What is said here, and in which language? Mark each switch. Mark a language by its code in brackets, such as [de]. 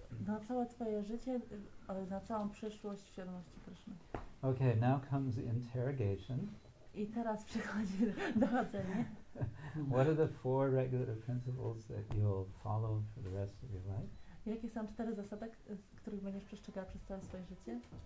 [pl] Na całe twoje życie, na całą przyszłość w świadomości Krishna. [en] Okay, now comes the interrogation. [pl] I teraz przychodzi dochodzenie. [en] What are the four regulative principles that you'll follow for the rest of your life? [pl] Jakie są cztery zasady, których będziesz przestrzegał przez całe swoje życie?